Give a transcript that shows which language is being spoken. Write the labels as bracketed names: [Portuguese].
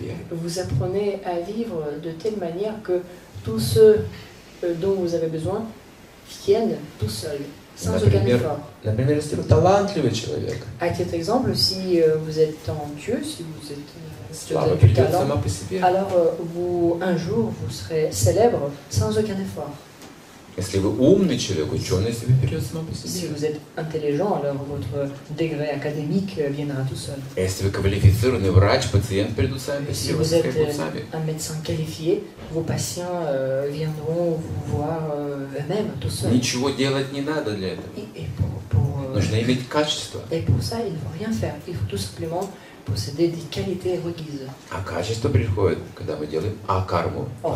[French] Vous apprenez à vivre de telle manière que tous ceux dont vous avez besoin viennent tout seuls, sans aucun effort. [Russian] Например, если вы талантливый человек. [French] À titre d'exemple, si vous êtes talentueux, si vous êtes talent, alors vous un jour vous serez célèbre sans aucun effort. [Russian] Если вы умный человек, ученый себе придет само по себе. [French] Si vous êtes intelligent, alors votre degré académique viendra tout seul. [Russian] Если вы квалифицированный врач, пациент придут сами по себе. [French] Si vous êtes un médecin qualifié, vos patients viendront vous voir eux-mêmes tout seul. [Russian] Ничего делать не надо для этого. Нужно иметь качество. [French] Et pour ça, il ne faut rien faire. Il faut tout simplement posséder des qualités requises. [Russian] А качество приходит, когда мы делаем акарму,